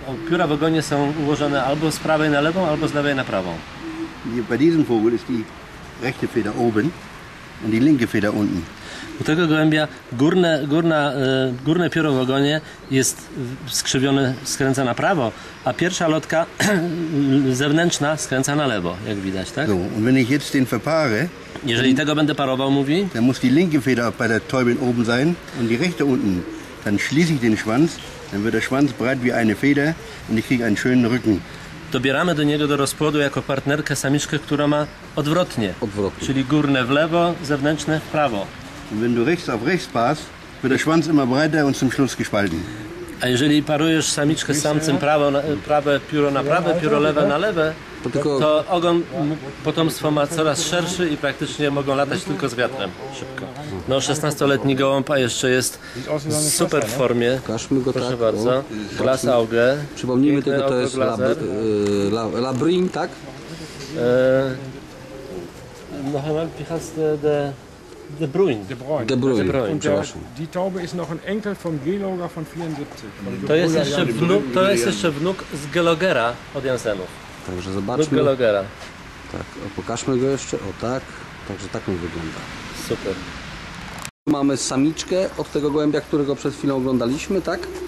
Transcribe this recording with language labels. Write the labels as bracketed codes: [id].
[pl] Pióra w ogonie są ułożone albo z prawej na lewą, albo z lewej na prawą. [de] Bei diesem Vogel ist die rechte Feder oben und die linke Feder unten. [pl] U tego gołębia górne pióro w ogonie jest skrzywione, skręca na prawo, a pierwsza lotka zewnętrzna skręca na lewo, jak widać, tak? [de] So, und wenn ich jetzt den verpaare, [pl] jeżeli tego będę parował, mówi, [de] dann muss die linke Feder bei der Täubin oben sein und die rechte unten. Dann schließe ich den Schwanz, dann wird der Schwanz breit wie eine Feder und ich kriege einen schönen Rücken. [pl] Dobieramy do niego do rozpłodu jako partnerkę samiczkę, która ma odwrotnie. Czyli górne w lewo, zewnętrzne w prawo. [de] Und wenn du rechts auf rechts passt, wird der Schwanz immer breiter und zum Schluss gespalten. [pl] A jeżeli parujesz samiczkę samcem, prawe pióro na prawe, pióro lewe na lewe, to ogon, potomstwo ma coraz szerszy i praktycznie mogą latać tylko z wiatrem szybko. No 16-letni gołąb, a jeszcze jest w super formie. Pokażmy go, proszę tak, bardzo. [de] Glas auge. [pl] Przypomnijmy tego, to jest labrin, tak? [de] Nochmal, wie heißt der... De Bruyne. De Bruyne. De Bruyne. De Bruyne. De Bruyne. Der, die Taube ist noch ein Enkel von Geloger von 74. [pl] To jest jeszcze wnuk, to jest jeszcze wnuk z Gelogera od Jansenów. Także zobaczmy. Wnuk Gelogera. Tak, o, pokażmy go jeszcze. O tak. Także tak on wygląda. Super. Tu mamy samiczkę od tego gołębia, którego przed chwilą oglądaliśmy, tak?